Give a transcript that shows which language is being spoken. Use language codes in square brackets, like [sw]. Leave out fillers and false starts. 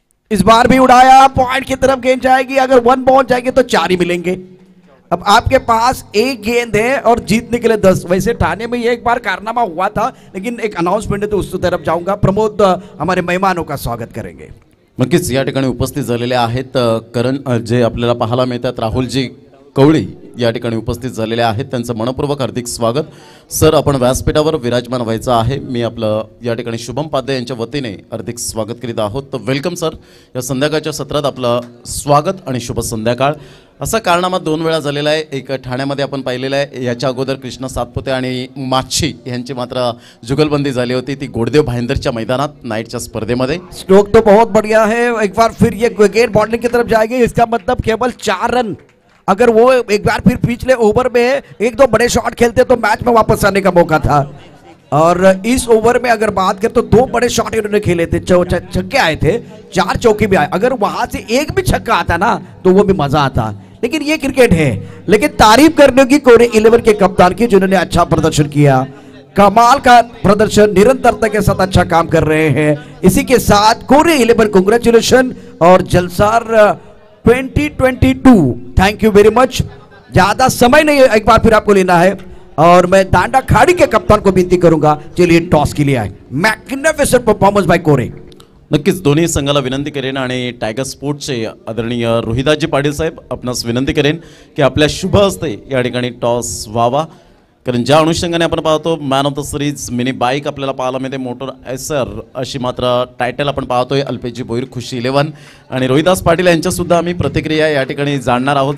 [hi] इस बार भी उड़ाया, पॉइंट की तरफ गेंद जाएगी, अगर 1 बाउंस जाएगी तो 4 ही मिलेंगे. अब आपके पास 1 गेंद है और जीतने के लिए 10. वैसे ठाणे में ये एक बार कारनामा हुआ था, लेकिन एक अनाउंसमेंट है तो उस तरफ जाऊंगा. प्रमोद हमारे मेहमानों का स्वागत करेंगे. [mr] नक्कीच या ठिकाणी उपस्थित झालेले आहेत करण जे आपल्याला पाहायला मिळतात, राहुलजी कवळी या ठिकाणी उपस्थित झालेले आहेत, त्यांचं मनपूर्वक हार्दिक स्वागत. सर आपण व्यासपीठावर विराजमान व्हायचं आहे, मी आपलं या ठिकाणी शुभम पाध्याय यांच्या वतीने हार्दिक स्वागत करीत आहोत. तर वेलकम सर, या संध्याकाळच्या सत्रात आपलं स्वागत आणि शुभ संध्याकाळ. असा कारनामा 2 वेळा झालेला आहे, एक ठाण्यामध्ये आपण पाहिलेलं आहे, याच्या अगोदर कृष्ण सातपुते आणि माच्छी यांची मात्र जुगलबंदी झाली होती, ती गोडदेव भाईंदरच्या मैदानात नाईटच्या स्पर्धेमध्ये. [hi] स्ट्रोक तो बहुत बढिया है, एक बार फिर ये गेंद बॉटलिंग की तरफ जाएगी, इसका मतलब केवल 4 रन. अगर वो एक बार फिर पिछले ओवर में 1-2 बड़े शॉट खेलते तो मैच में वापस आने का मौका था. और इस ओवर में अगर बात करें तो 2 बड़े शॉट इन्होंने खेले थे, छक्के आए थे, 4 चौके भी आए, अगर वहां से 1 भी छक्का आता ना तो वो भी मजा आता. लेकिन ये क्रिकेट है, लेकिन तारीफ करने की कोरे 11 के कप्तान की, जिन्होंने अच्छा प्रदर्शन किया, कमाल का प्रदर्शन, निरंतरता के साथ अच्छा काम कर रहे हैं. इसी के साथ कोरे 11 कांग्रेचुलेशन और Jalsar 2022 [en] Thank you very much. [hi] ज्यादा समय नहीं है, एक बार फिर आपको लेना है और मैं डांडा खाड़ी के कप्तान को विनती करूंगा, चलिए टॉस के लिए आए. [en] Magnificent performance by Kore. [mr] नक्कीच दोन्ही संघाला विनंती करेन आणि टायगर स्पोर्ट्सचे आदरणीय रोहिदाजी पाटील साहेब आपणास विनंती करेन की आपल्या शुभ हस्ते या ठिकाणी टॉस व्हावा. कारण ज्या अनुषंगाने आपण पाहतो man of the series mini bike आपल्याला पाहायला मिळते, मोटर एसर अशी मात्र टायटल आपण पाहतोय अल्पेशजी भोईर खुशी इलेवन आणि रोहिदास पाटील यांच्यासुद्धा आम्ही प्रतिक्रिया या ठिकाणी जाणणार आहोत.